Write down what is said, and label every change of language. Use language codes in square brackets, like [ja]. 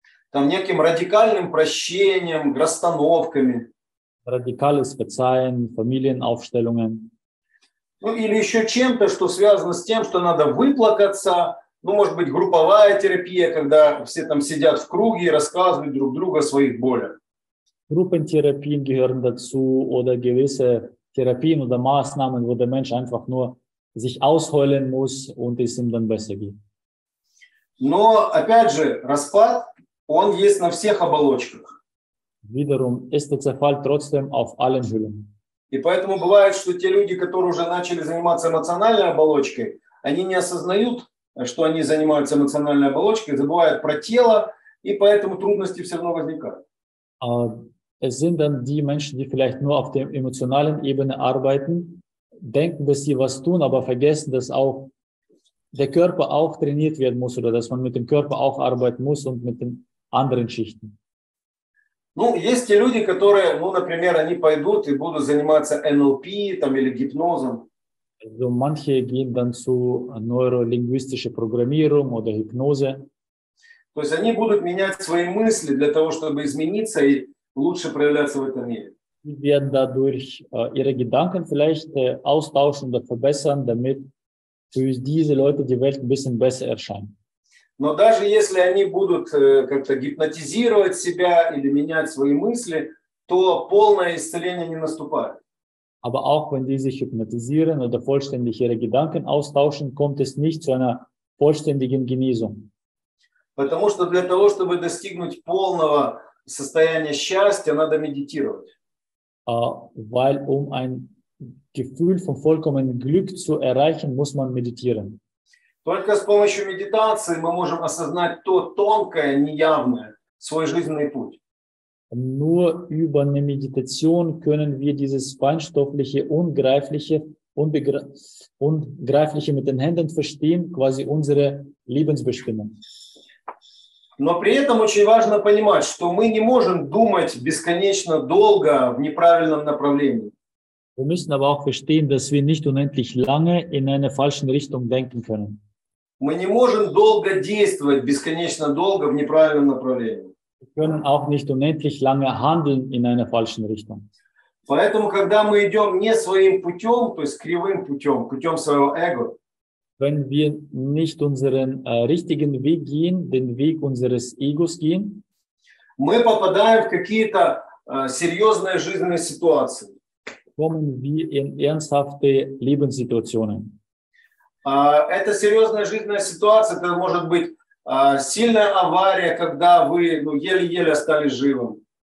[ru] Там неким радикальным прощением, расстановками. [de] Радикальное Verzeihen, Familienaufstellungen. [ru] Ну или еще чем-то, что связано с тем, что надо выплакаться. Ну, может быть, групповая терапия, когда все там сидят в круге и рассказывают друг другу о своих болях. [de] Группентерапии gehören dazu oder gewisse Therapien oder Maßnahmen, wo der Mensch einfach nur sich ausheulen muss und es ihm dann besser geht. [ru] Но опять же, распад, он есть на всех оболочках. [de] Wiederum ist dieser Fall trotzdem auf allen Hüllen. [ru] И поэтому бывает, что те люди, которые уже начали заниматься эмоциональной оболочкой, они не осознают, что они занимаются эмоциональной оболочкой, забывают про тело, и поэтому трудности все равно возникают. [de] Es sind dann die Menschen, die vielleicht nur auf der emotionalen Ebene arbeiten, denken, dass sie was tun, aber vergessen, dass auch der Körper auch trainiert werden muss oder dass man mit dem Körper auch arbeiten muss und mit den anderen Schichten. [ru] Ну, есть те люди, которые, ну, например, они пойдут и будут заниматься NLP там, или гипнозом. [de] Also manche gehen dann zu neurolinguistischer Programmierung oder Hypnose. [ru] То есть они будут менять свои мысли для того, чтобы измениться и лучше проявляться в этом мире. [de] Sie werden dadurch ihre Gedanken vielleicht austauschen oder verbessern, damit für diese Leute die Welt ein bisschen besser erscheint. [ru] Но даже если они будут как-то гипнотизировать себя или менять свои мысли, то полное исцеление не наступает. [de] Aber auch wenn die sich hypnotisieren oder vollständig ihre Gedanken austauschen, kommt es nicht zu einer vollständigen Genesung. [ru] Потому что для того, чтобы достигнуть полного состояния счастья, надо медитировать. [de] Weil um ein Gefühl von vollkommenem Glück zu erreichen, muss man meditieren. [ru] Только с помощью медитации мы можем осознать то тонкое, неявное, свой жизненный путь. [de] Nur über eine Meditation können wir dieses feinstoffliche, ungreifliche, ungreifliche mit den Händen verstehen, quasi unsere Lebensbestimmung. [ru] Но при этом очень важно понимать, что мы не можем думать бесконечно долго в неправильном направлении. [de] Wir müssen aber auch verstehen, dass wir nicht unendlich lange in eine falsche Richtung denken können. [ru] Мы не можем долго действовать, бесконечно долго, в неправильном направлении. [de] Wir können auch nicht unendlich lange handeln in einer falschen Richtung. [ru] Поэтому, когда мы идем не своим путем, то есть кривым путем, путем своего эго, [de] wenn wir nicht unseren richtigen Weg gehen, den Weg unseres Egos gehen, [ru] мы попадаем в какие-то серьезные жизненные ситуации. [de] Kommen wir in ernsthafte Lebenssituationen. [ru] Это серьезная жизненная ситуация, это может быть сильная авария, когда вы еле-еле остались живым.